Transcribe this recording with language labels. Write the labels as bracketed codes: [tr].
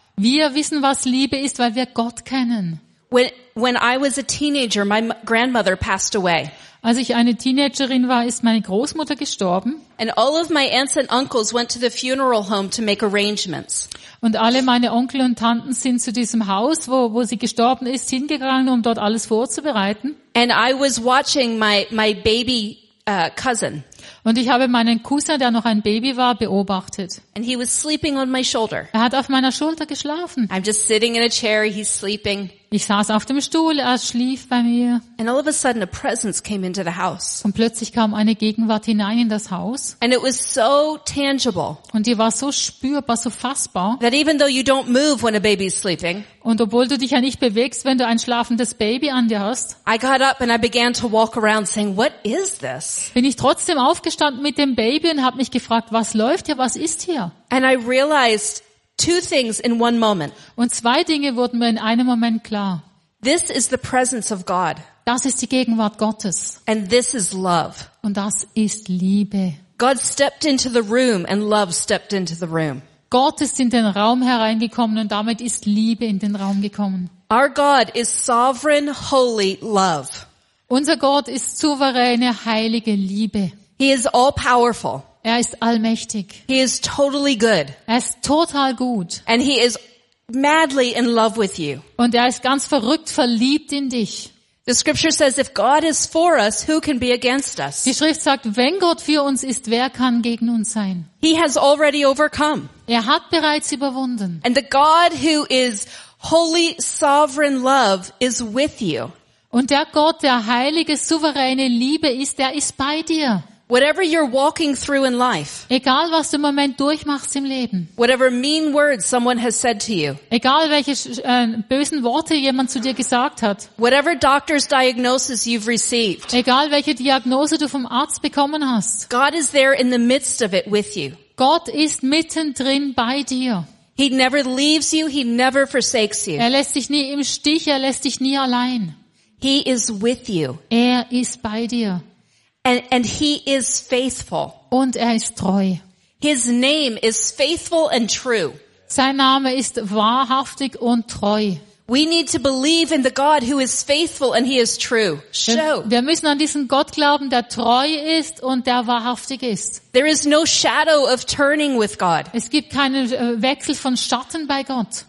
[de] Wir wissen, was Liebe ist, weil wir Gott kennen. [en] When I was a teenager, my grandmother passed away. [de] Als ich eine Teenagerin war, ist meine Großmutter gestorben. [en] And all of my aunts and uncles went to the funeral home to make arrangements. [de] Und alle meine Onkel und Tanten sind zu diesem Haus, wo sie gestorben ist, hingegangen, um dort alles vorzubereiten. [en] And I was watching my baby cousin. [de] Und ich habe meinen Cousin, der noch ein Baby war, beobachtet. [en] And he was sleeping on my shoulder. [de] Er hat auf meiner Schulter geschlafen. [en] I'm just sitting in a chair, he's sleeping. [de] Ich saß auf dem Stuhl, er schlief bei mir. [en] And all of a sudden a presence came into the house. [de] Und plötzlich kam eine Gegenwart hinein in das Haus. [en] And it was so tangible. [de] Und die war so spürbar, so fassbar. [en] That even though you don't move when a baby's sleeping. [de] Und obwohl du dich ja nicht bewegst, wenn du ein schlafendes Baby an dir hast. [en] I got up and I began to walk around saying, what is this? [de] Bin ich trotzdem aufgestanden mit dem Baby und habe mich gefragt, was läuft hier, was ist hier? [en] And I realized two things in one moment. [de] Und zwei Dinge wurden mir in einem Moment klar. [en] This is the presence of God. [de] Das ist die Gegenwart Gottes. [en] And this is love. [de] Und das ist Liebe. [en] God stepped into the room and love stepped into the room. [de] Gott ist in den Raum hereingekommen und damit ist Liebe in den Raum gekommen. [en] Our God is sovereign, holy love. [de] Unser Gott ist souveräne, heilige Liebe. [en] He is all powerful. [de] Er ist allmächtig. [en] He is totally good. [de] Er ist total gut. [en] And he is madly in love with you. [de] Und er ist ganz verrückt verliebt in dich. [en] The scripture says if God is for us, who can be against us? [de] Die Schrift sagt, wenn Gott für uns ist, wer kann gegen uns sein? [en] He has already overcome. [de] Er hat bereits überwunden. [en] And the God who is holy sovereign love is with you. [de] Und der Gott, der heilige souveräne Liebe ist, der ist bei dir. [en] Whatever you're walking through in life. [de] Egal was du im Moment durchmachst im Leben. [en] Whatever mean words someone has said to you. [de] Egal welche bösen Worte jemand zu dir gesagt hat. [en] Whatever doctor's diagnosis you've received. [de] Egal welche Diagnose du vom Arzt bekommen hast. [en] God is there in the midst of it with you. [de] Gott ist mittendrin bei dir. [en] He never leaves you, he never forsakes you. [de] Er lässt dich nie im Stich, er lässt dich nie allein. [en] He is with you. [de] Er ist bei dir. [en] And he is faithful. [de] Und er ist treu. [en] His name is faithful and true. [de] Sein Name ist wahrhaftig und treu. [en] We need to believe in the God who is faithful and he is true. Show. [de] Wir müssen an diesen Gott glauben, der treu ist und der wahrhaftig ist. [en] There is no shadow of turning with God. [de] Es gibt keinen Wechsel von Schatten bei Gott.